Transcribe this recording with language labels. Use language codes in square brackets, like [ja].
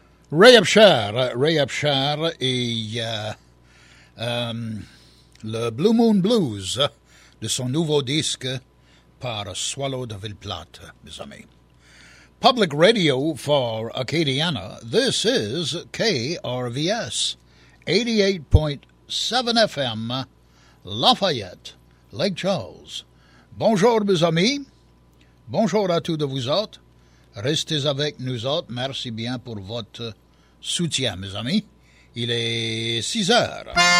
[fr] Ray Upshur. Ray Upshur et le Blue Moon Blues de son nouveau disque par Swallow de Villeplate, mes amis. [en] Public Radio for Acadiana, this is KRVS, 88.7 FM, Lafayette, Lake Charles. [fr] Bonjour, mes amis. Bonjour à tous de vous autres. Restez avec nous autres. Merci bien pour votre soutien, mes amis. Il est 6 heures.